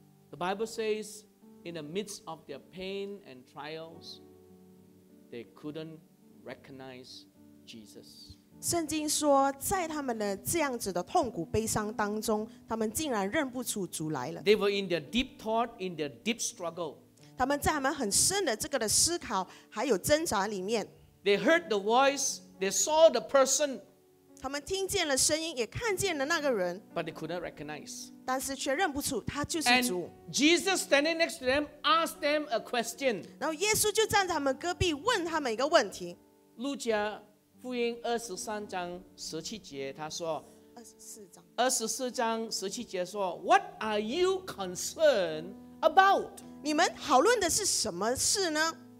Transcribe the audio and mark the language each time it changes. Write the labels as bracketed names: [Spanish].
[English] The Bible says, in the midst of their pain and trials, they couldn't recognize Jesus. [Chinese] 圣经说，在他们的这样子的痛苦悲伤当中，他们竟然认不出主来了。 [English] They were in their deep thought, in their deep struggle. [Chinese] 他们在他们很深的这个的思考还有挣扎里面。 [English] They heard the voice, they saw the person. [Chinese] 他们听见了声音，也看见了那个人。 [English] But they couldn't recognize. [Chinese] 但是却认不出他就是主。 [English] And Jesus standing next to them asked them a question. [Chinese] 然后耶稣就站在他们隔壁问他们一个问题。路加福音二十三章十七节，他说： 二十四章十七节 [English] 说 ，What are you concerned about? [Chinese] 你们讨论的是什么事呢